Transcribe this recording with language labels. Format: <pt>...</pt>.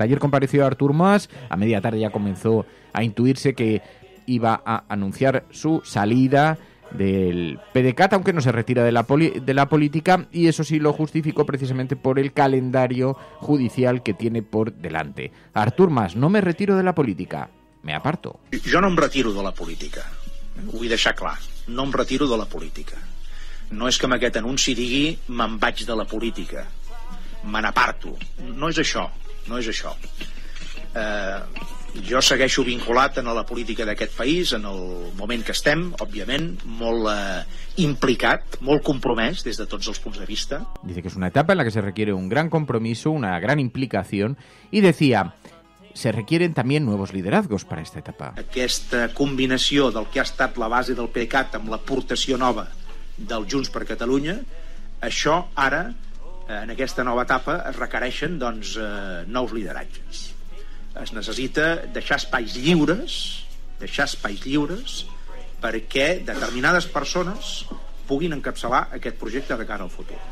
<es>Ayer compareció Artur Mas, a media tarde ya comenzó a intuirse que iba a anunciar su salida del PDeCAT, aunque no se retira de la política, y eso sí lo justificó precisamente por el calendario judicial que tiene por delante. Artur Mas, no me retiro de la política, me aparto.</es> <ca>Jo no em retiro de la política, vull deixar clar, no em retiro de la política. No és que amb aquest anunci digui me'n vaig de la política, me n'aparto. No és això. Jo segueixo vinculat a la política d'aquest país, en el moment que estem, òbviament, molt implicat, molt compromès des de tots els punts de vista.</ca> <es>Dice que es una etapa en la que se requiere un gran compromiso, una gran implicación, y decía, se requieren también nuevos liderazgos para esta etapa.</es> <ca>Aquesta combinació del que ha estat la base del PDeCAT amb l'aportació nova del Junts per Catalunya, això ara, en aquesta nova etapa, es requereixen doncs, nous lideratges. Es necessita deixar espais lliures perquè determinades persones puguin encapçalar aquest projecte de cara al futur.</ca>